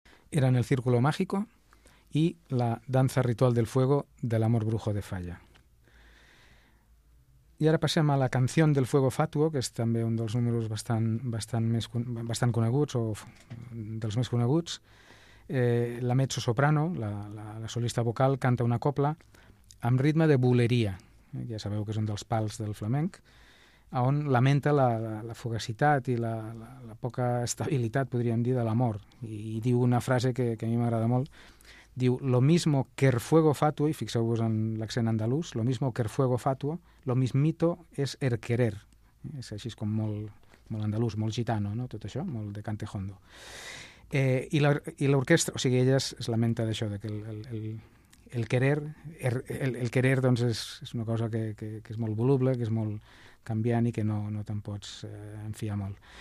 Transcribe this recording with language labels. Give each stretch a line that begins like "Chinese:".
Spanish: eran El Círculo Mágico y La Danza Ritual del Fuego del Amor Brujo de Falla.
Catalan: I ara passem a la Canció del Fuego Fatuo, que és també un dels números bastant coneguts, o dels més coneguts. La mezzo-soprano, la solista vocal, canta una copla amb ritme de buleria, ja sabeu que és un dels pals del flamenc, on lamenta la fugacitat i la poca estabilitat, podríem dir, de l'amor. I diu una frase que a mi m'agrada molt, diu,
Spanish: lo mismo que el fuego fatuo,
Catalan: i fixeu-vos en l'accent andalús,
Spanish: lo mismo que el fuego fatuo, lo mismito es el querer.
Catalan: És així com molt, molt andalús, molt gitano, no? Tot això, molt de cantejondo. I l'orquestra, o sigui, ella es lamenta d'això, que el querer doncs és una cosa que és molt voluble, que és molt canviant i que no te'n pots enfiar molt.